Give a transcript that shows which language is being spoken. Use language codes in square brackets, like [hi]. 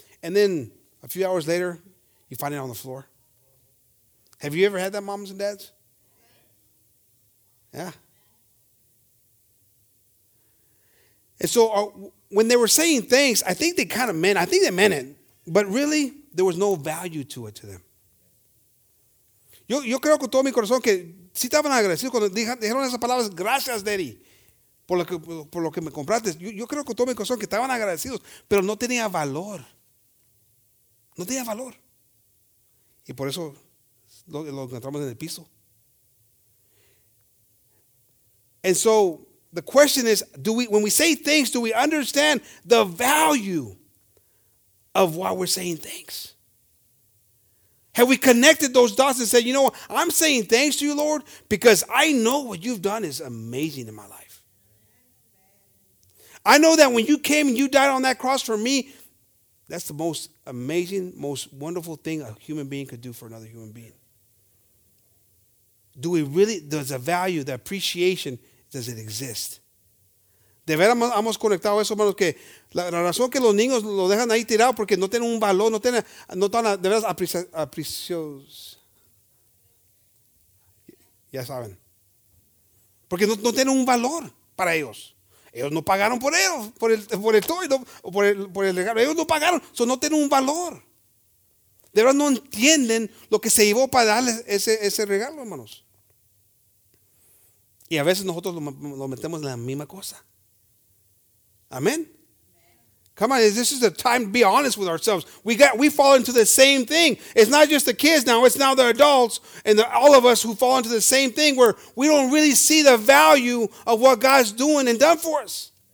[en] And then a few hours later, you find it on the floor. Have you ever had that, moms and dads? Yeah. And so when they were saying thanks, I think they meant it. But really, there was no value to it to them. [es] Yo creo con todo mi corazón que si estaban agradecidos cuando dijeron esas palabras, gracias, Daddy, por lo que me compraste. Yo creo con todo mi corazón que estaban agradecidos, pero no tenía valor. No tenía valor. Y por eso lo encontramos en el piso. [en] And so the question is, when we say thanks, do we understand the value of why we're saying thanks? Have we connected those dots and said, you know what, I'm saying thanks to you, Lord, because I know what you've done is amazing in my life. I know that when you came and you died on that cross for me, that's the most amazing, most wonderful thing a human being could do for another human being. Do we really, does the value, the appreciation, does it exist? [es] De veras hemos conectado eso, hermanos, que la razón que los niños lo dejan ahí tirado porque no tienen un valor, no están de veras apreciados. Ya saben. Porque no tienen un valor para ellos. Ellos no pagaron por ellos, por el toy, no, por el regalo. Ellos no pagaron, so no tienen un valor. De veras no entienden lo que se llevó para darles ese regalo, hermanos. Y a veces nosotros lo metemos en la misma cosa. [en] Amen. Come on, this is the time to be honest with ourselves. We fall into the same thing. It's not just the kids now, it's now the adults and all of us who fall into the same thing where we don't really see the value of what God's doing and done for us.